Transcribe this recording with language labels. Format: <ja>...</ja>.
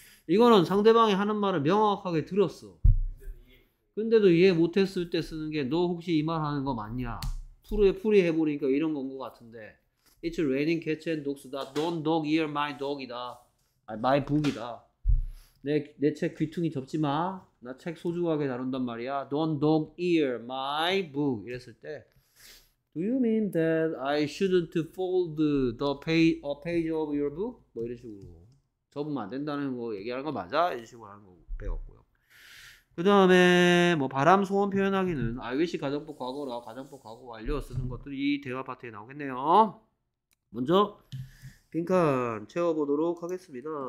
<ko>이거는 상대방이 하는 말을 명확하게 들었어. 근데도 이해 못했을 때 쓰는 게 너 혹시 이 말 하는 거 맞냐? 풀이 해보니까 이런 건 것 같은데</ko> <en>It's raining cats and dogs. Don't dog ear my dog이다. My book이다.</en> <ko>내 책 귀퉁이 접지 마. 나 책 소중하게 다룬단 말이야.</ko> <en>Don't dog ear my book.</en> <ko>이랬을 때</ko> <en>Do you mean that I shouldn't fold the page, a page of your book?</en> <ko>뭐 이런 식으로 접으면 안 된다는 거 얘기하는 거 맞아? 이런 식으로 하는 거 배웠고요. 그 다음에 뭐 바람 소원 표현하기는 I wish 가정법 과거라 가정법 과거 완료 쓰는 것들이 이 대화 파트에 나오겠네요. 먼저 빈칸 채워보도록 하겠습니다.</ko>